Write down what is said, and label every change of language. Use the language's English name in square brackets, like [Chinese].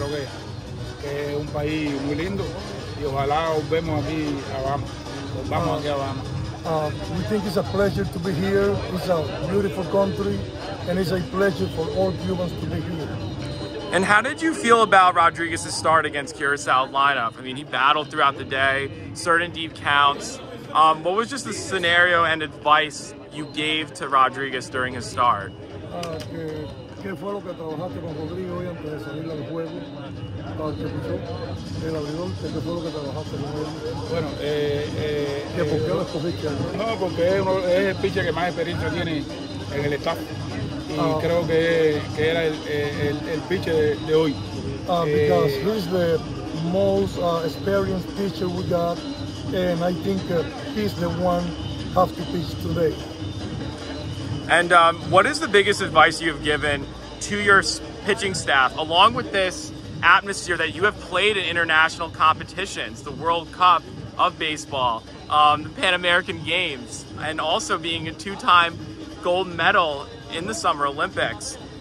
[Spanish] Creo que es un país muy lindo y ojalá os vemos aquí a Bahamas. Vamos aquí a Bahamas. [English] We think it's a pleasure to be here. It's a beautiful country, and it's a pleasure for all Cubans to be here. And how did you feel about Rodriguez's start against Curaçao lineup? I mean, he battled throughout the day, certain deep counts. What was just the scenario and advice you gave to Rodriguez during his start? [Spanish] ¿Qué fue lo que trabajaste con Rodrigo hoy antes de salir al juego? ¿El abridor? ¿Qué fue lo que trabajaste con él? Bueno, ¿por qué lo escogiste? No, porque es el pitcher que más experiencia tiene en el staff. Y creo que era el pitcher de hoy. [English] Because he's the most experienced pitcher we got, and I think he's the one have to pitch today. And what is the biggest advice you have given to your pitching staff, along with this atmosphere that you have played in international competitions, the World Cup of baseball, the Pan American Games, and also being a two-time gold medal in the Summer Olympics?